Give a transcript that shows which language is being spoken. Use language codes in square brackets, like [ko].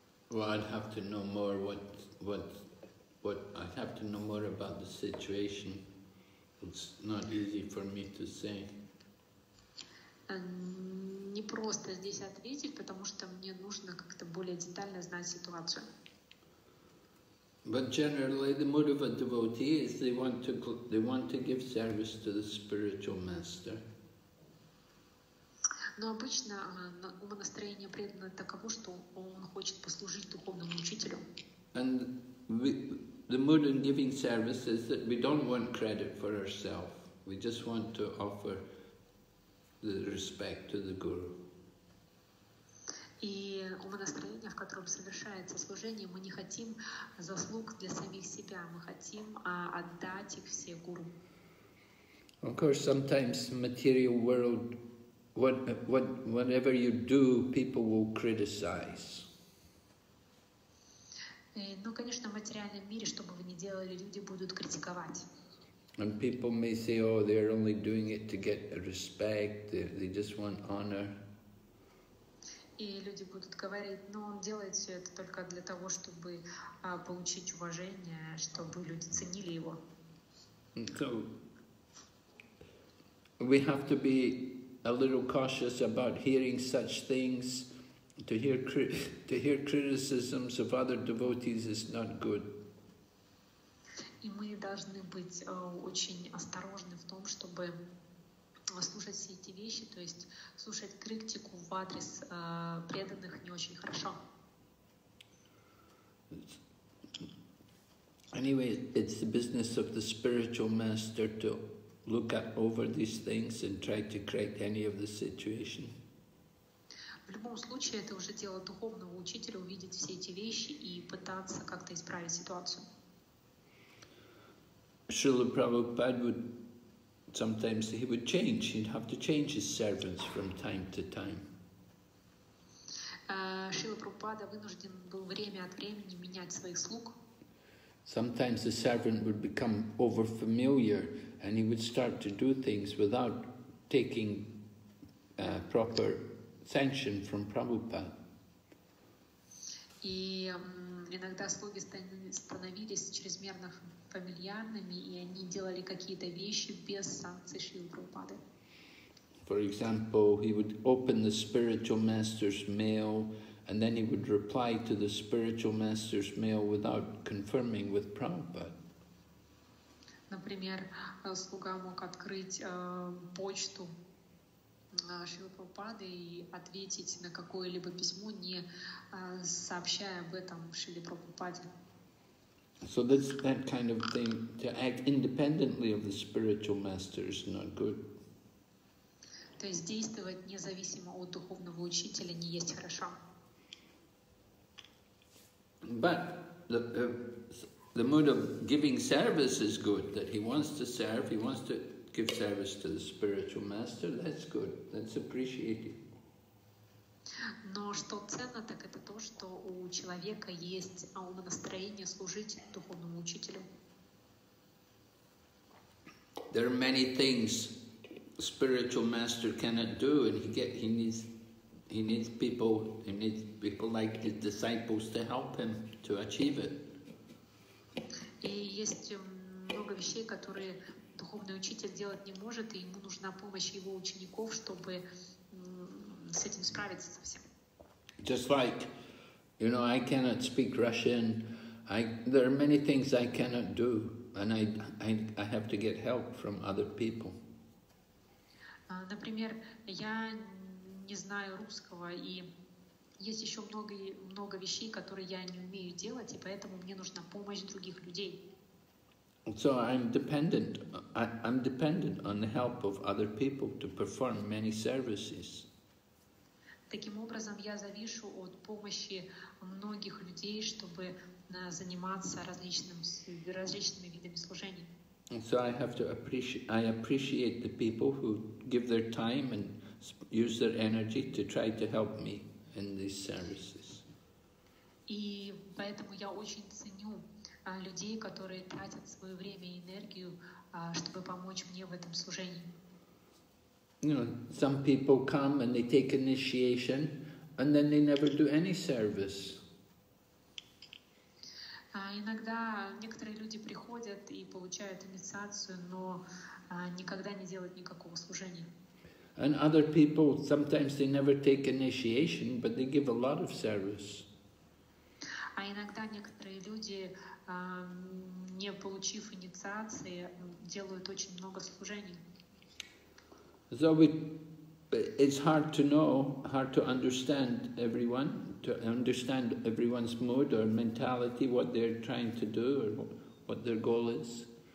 [en] Well, I'd have to know more about the situation. It's not easy for me to say. [ru] Не просто здесь ответить, потому что мне нужно как-то более детально знать ситуацию. [en] But generally, the mood of a devotee is they want to give service to the spiritual master. [ru] Но обычно умонастроение преданного таково, что он хочет послужить духовному учителю. [en] The mood in giving service is that we don't want credit for ourselves. We just want to offer the respect to the guru. [ru] И умонастроение, в котором совершается служение, мы не хотим заслуг для самих себя, мы хотим отдать их все гуру. [en] Of course, sometimes material world, whatever you do, people will criticize. [ru] Ну, конечно, в материальном мире, что бы вы ни делали, люди будут критиковать. [en] And people may say, oh, they're only doing it to get respect, they just want honor. [ru] И люди будут говорить, ну, он делает все это только для того, чтобы получить уважение, чтобы люди ценили его. [en] So, we have to be a little cautious about hearing such things. To hear criticisms of other devotees is not good. [ru] И мы должны быть очень осторожны в том, чтобы слушать все эти вещи, то есть слушать критику в адрес преданных не очень хорошо. [en] Anyway, it's the business of the spiritual master to look at over these things and try to correct any of the situation. [ru] В любом случае, это уже дело духовного учителя увидеть все эти вещи и пытаться как-то исправить ситуацию. [en] Шрила Прабхупада would sometimes he would change. He'd have to change his servants from time to time. [ru] Шрила Прабхупада вынужден был время от времени менять своих слуг. [en] Sometimes the servant would become over familiar and he would start to do things without taking proper sanction from Prabhupada. [ru] И иногда слуги становились чрезмерно фамильярными, и они делали какие-то вещи без санкций Шрилы Прабхупады. [en] For example, he would open the spiritual master's mail, and then he would reply to the spiritual master's mail without confirming with Prabhupada. [ru] Например, слуга мог открыть почту Шрилы Прабхупады и ответить на какое-либо письмо, не сообщая об этом Шриле Прабхупаде. [en] So that's that kind of thing, to act independently of the spiritual master is not good. [ru] То есть действовать независимо от духовного учителя не есть хорошо. [en] But the mood of giving service is good, that he wants to serve, he wants to give service to the spiritual master, that's good, that's appreciated. [ru] Но что ценно, так это то, что у человека есть настроение служить духовному учителю. [en] There are many things a spiritual master cannot do, and he needs people like his disciples to help him to achieve it. [ru] И есть много вещей, которые духовный учитель делать не может, и ему нужна помощь его учеников, чтобы с этим справиться со всем. [en] Just like, you know, I cannot speak Russian. There are many things I cannot do, and I have to get help from other people. [ru] Например, я не знаю русского, и есть еще много вещей, которые я не умею делать, и поэтому мне нужна помощь других людей. [en] So I'm dependent on the help of other people to perform many services. [ru] Таким образом, я завишу от помощи многих людей, чтобы заниматься различными видами служений. [en] And so I have to appreciate the people who give their time and use their energy to try to help me in these services. [ru] И поэтому я очень ценю людей, которые тратят свое время и энергию, чтобы помочь мне в этом служении. [en] You know, some people come and they take initiation, and then they never do any service. [ru] Иногда некоторые люди приходят и получают инициацию, но никогда не делают никакого служения. [en] And other people, sometimes they never take initiation, but they give a lot of service. [ru] А иногда некоторые люди, не получив инициации, делают очень много служений. [en] So it's hard to know, hard to understand everyone. To understand everyone's mood or mentality, what they're trying to do or what their goal is.